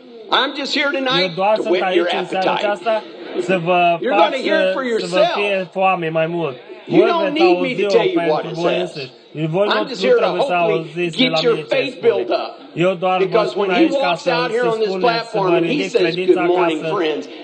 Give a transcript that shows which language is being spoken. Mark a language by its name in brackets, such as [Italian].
[English] I'm just here tonight to whet your appetite. [Romanian] Să vă pasă, să vă fie foame mai mult. [English] You don't need me to tell you what it says. I'm just here to hopefully get your faith built up. Because when he walks out here on this platform and he says, good morning, friends.